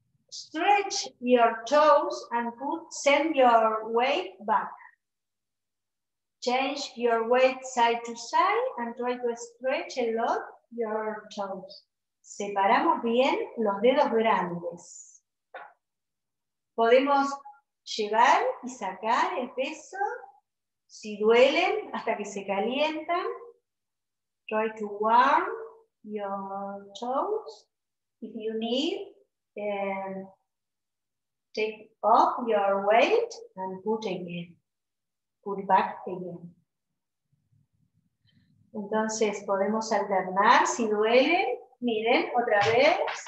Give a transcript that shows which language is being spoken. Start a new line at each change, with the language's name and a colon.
English: Stretch your toes and put send your weight back. Change your weight side to side and try to stretch a lot your toes.
Spanish: Separamos bien los dedos grandes. Podemos llevar y sacar el peso si duelen hasta que se calientan.
English: Try to warm your toes if you need. Take off your weight and put again, put back again.
Spanish: Entonces podemos alternar si duele. Miren otra vez.